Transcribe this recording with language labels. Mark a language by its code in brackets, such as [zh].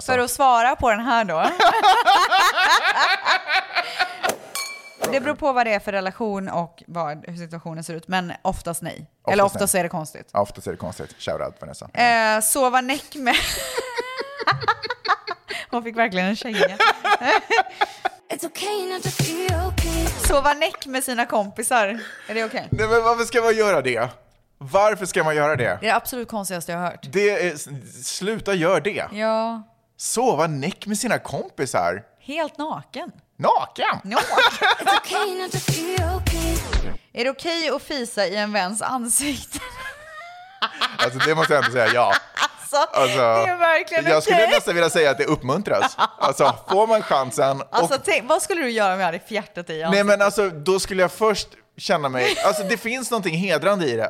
[sv] för att svara på den här då. Det beror på vad det är för relation och vad, hur situationen ser ut. Men oftast nej. Oftast eller oftast nej. Är det konstigt. Ja, oftast är det konstigt. [en] Shout out Vanessa. [sv] Sova näck med... Hon fick verkligen en känga. [en] It's okay not to feel okay. [sv] Sova näck med sina kompisar. Är det okej? Nej, men varför ska man göra det? Varför ska man göra det? Det är det absolut konstigaste jag har hört. Det är, sluta gör det. Ja. Sova näck med sina kompisar. Helt naken. Naken? [en] It's okay not to feel okay. [sv] Är det okej att fisa i en väns ansikte? Alltså det måste jag ändå säga ja. Alltså, det är verkligen jag skulle nästan vilja säga att det uppmuntras. Alltså får man chansen och... Alltså tänk, vad skulle du göra med det fjärtat i? Nej men alltså då skulle jag först känna mig, alltså det finns någonting hedrande i det.